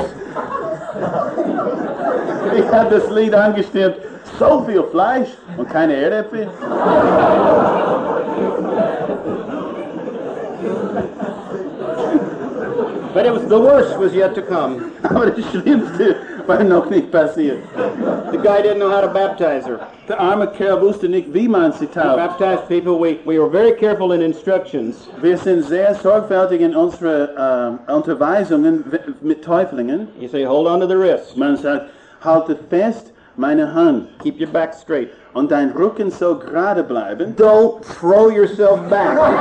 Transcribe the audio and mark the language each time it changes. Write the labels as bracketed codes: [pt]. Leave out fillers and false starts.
[en] He had this lead [de] angestimmt, So viel Fleisch und keine Erdäpfel. [en] But it was the worst was yet to come. [de] Aber das Schlimmste war noch nicht passiert. [en] The guy didn't know how to baptize her. [de] Der arme Kerl wusste nicht, wie man sie tauft. [en] We baptized people, we were very careful in instructions. [de] Wir sind sehr sorgfältig in unsere Unterweisungen mit Täuflingen. [en] You say, hold on to the wrist. [de] Man sagt, halte fest meine Hand. [en] Keep your back straight. [de] Und dein Rücken soll gerade bleiben. [en] Don't throw yourself back.